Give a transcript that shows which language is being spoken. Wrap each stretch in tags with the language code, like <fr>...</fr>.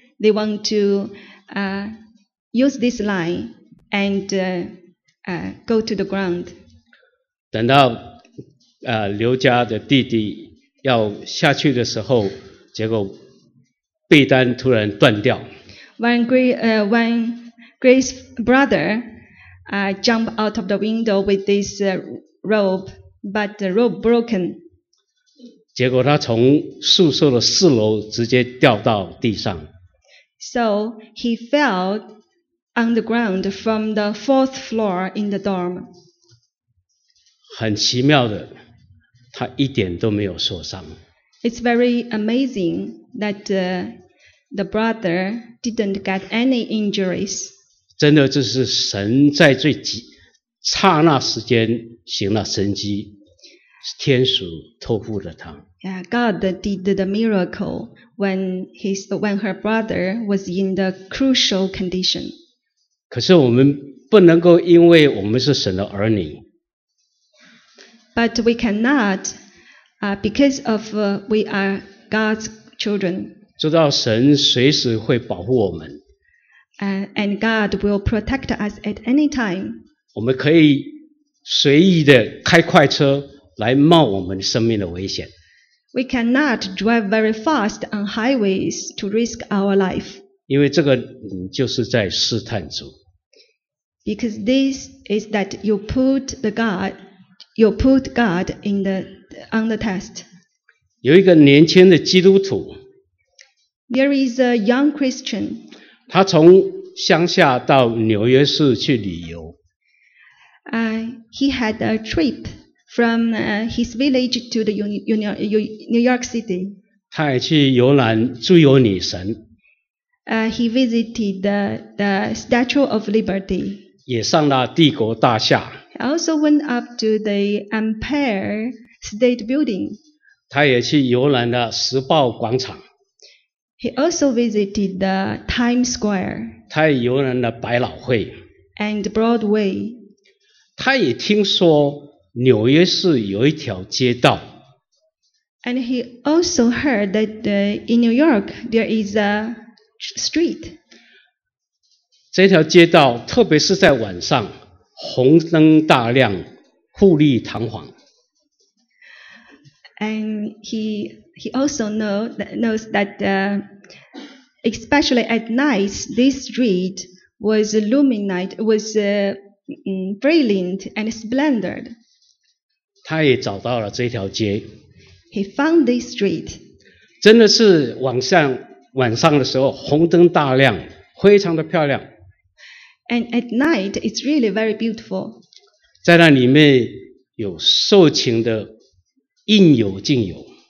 <en>They want to use this line and go to the ground.</en> <zh>等到刘家的弟弟要下去的时候，结果被单突然断掉。</zh> <en>When Grace's brother jumped out of the window with this rope, but the rope broken.</en> <zh>结果他从宿舍的四楼直接掉到地上。</zh> <en>So he fell on the ground from the fourth floor in the dorm.</en> <zh>很奇妙的，他一点都没有受伤。</zh> <en>It's very amazing that the brother didn't get any injuries.</en> <zh>真的，这是神在最急刹那时间行了神迹，天使托付了他。</zh> <en>Yeah, God did the miracle when her brother was in the crucial condition.</en> <zh>可是我们不能够因为我们是神的儿女。</zh> <en>But we cannot, because of we are God's children.</en> <zh>知道神随时会保护我们。</zh> <en>And God will protect us at any time.</en> <zh>我们可以随意的开快车来冒我们生命的危险。</zh> <en>We cannot drive very fast on highways to risk our life.</en> <zh>因为这个就是在试探主。</zh> <en>Because this is that you put God on the test.</en> <zh>有一个年轻的基督徒。</zh> <en>There is a young Christian.</en> <zh>他从乡下到纽约市去旅游。</zh> <en>He had a trip from his village to the New York City.</en> <zh>他也去游览自由女神。</zh> <en>He visited the Statue of Liberty.</en> <zh>也上了帝国大厦。</zh> <en>He also went up to the Empire State Building.</en> <zh>他也去游览了时报广场。</zh> <en>He also visited the Times Square.</en> <zh>他也游览了百老汇。</zh> <en>And Broadway.</en> <zh>他也听说纽约市有一条街道。</zh> <en>And he also heard that in New York there is a street.</en> <zh>这条街道特别是在晚上红灯大亮，富丽堂皇。</zh> <en>And he also knows that especially at night, this street was illuminated, was brilliant and splendid.</en> <zh>他也找到了这条街。</zh> <en>He found this street.</en> <zh>真的是晚上的时候，红灯大亮，非常的漂亮。</zh> <en>And at night, it's really very beautiful.</en> <zh>在那里面有受情的，应有尽有。</zh>